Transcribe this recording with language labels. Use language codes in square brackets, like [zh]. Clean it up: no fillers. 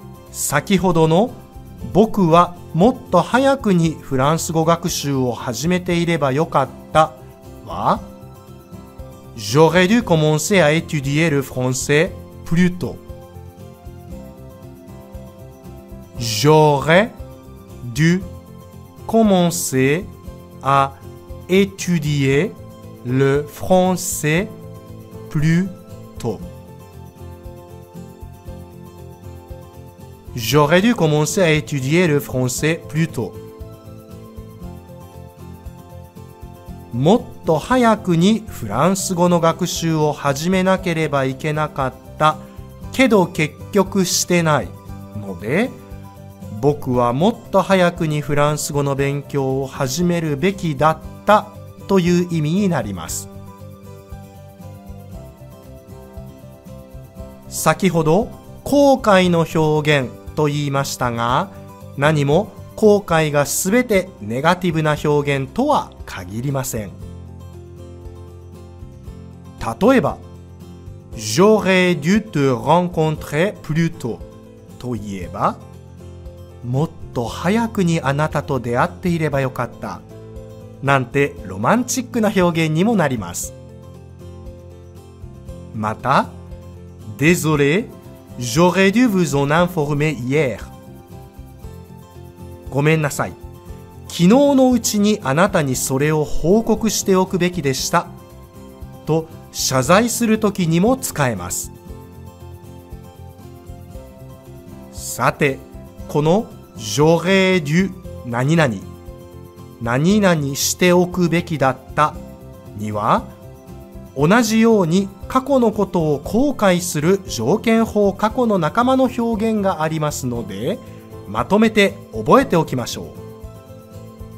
[ja] 先ほどの僕はもっと早くにフランス語学習を始めていればよかったは、 [fr] J'aurais dû commencer à étudier le français plus tôt。 J'aurais dû commencer à étudier le français plus tôt. J'aurais dû commencer à étudier le français plus tôt. [ja] もっと早くにフランス語の学習を始めなければいけなかったけど結局してないので、僕はもっと早くにフランス語の勉強を始めるべきだったという意味になります。先ほど後悔の表現と言いましたが、何も後悔がすべてネガティブな表現とは限りません。例えば [fr] J'aurais dû te rencontrer plus tôt [ja] と言えば、もっと早くにあなたと出会っていればよかったなんてロマンチックな表現にもなります。 [fr] また Désolé, j'aurais dû vous en informer hier [ja] ごめんなさい。昨日のうちにあなたにそれを報告しておくべきでした。と謝罪するときにも使えます。さて、この j'aurais dû 何々、何々しておくべきだったには、同じように過去のことを後悔する条件法過去の仲間の表現がありますので、まとめて覚えておきましょう。